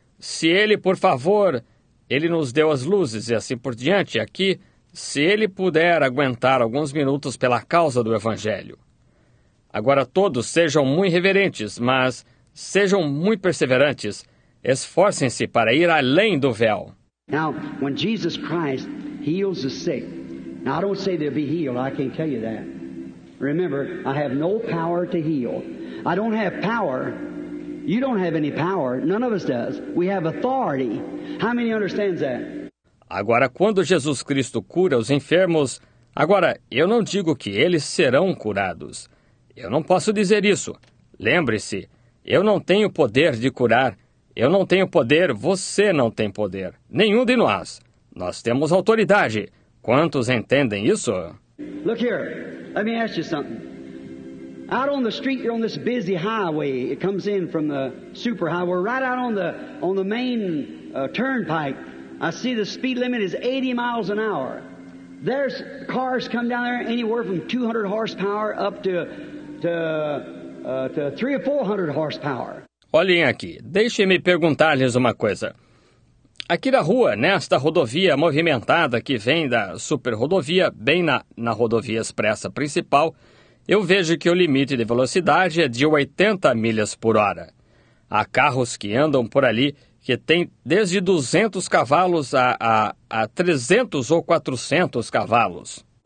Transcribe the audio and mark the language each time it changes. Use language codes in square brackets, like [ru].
[pt] Se ele, por favor... Ele nos deu as luzes e assim por diante aqui, se ele puder aguentar alguns minutos pela causa do Evangelho. Agora todos sejam muito reverentes, mas sejam muito perseverantes. Esforcem-se para ir além do véu. [en] Now, when Jesus Christ heals the sick, now I don't say they'll be healed, I can't tell you that. Remember, I have no power to heal. I don't have power. You don't have any power. None of us does. We have authority. How many understands that? [pt] Agora, quando Jesus Cristo cura os enfermos, agora, eu não digo que eles serão curados. Eu não posso dizer isso. Lembre-se, eu não tenho poder de curar. Eu não tenho poder, você não tem poder. Nenhum de nós. Nós temos autoridade. Quantos entendem isso? [en] Look here. Let me ask you something. Out on the street, you're on this busy highway. It comes in from the superhighway. We're right out on the main turnpike. I see the speed limit is 80 miles an hour. There's cars come down there anywhere from 200 horsepower up to 300 or 400 horsepower. [pt] Olhem aqui. Deixe-me perguntar-lhes uma coisa. Aqui na rua, nesta rodovia movimentada que vem da superrodovia, bem na rodovia expressa principal... Eu vejo que o limite de velocidade é de 80 milhas por hora. Há carros que andam por ali que têm desde 200 cavalos a 300 ou 400 cavalos.